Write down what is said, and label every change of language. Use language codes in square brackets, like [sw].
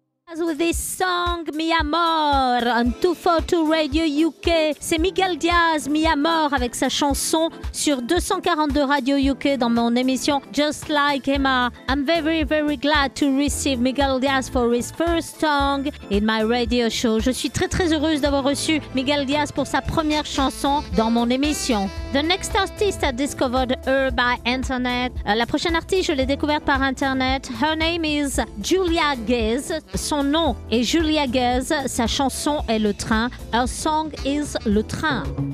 [en] As with this song, Mi Amor, on 242 Radio UK. [fr] C'est Miguel Diaz, Mi Amor, avec sa chanson sur 242 Radio UK dans mon émission Just Like Emma. [en] I'm very, very glad to receive Miguel Diaz for his first song in my radio show. [fr] Je suis très, très heureuse d'avoir reçu Miguel Diaz pour sa première chanson dans mon émission. [en] The next artist I discovered her by internet. [fr] La prochaine artiste, je l'ai découverte par internet. [en] Her name is Julia Guez. [fr] Son nom est [en] Julia Guez. [fr] Sa chanson est Le Train. [en] Her song is [fr] Le Train.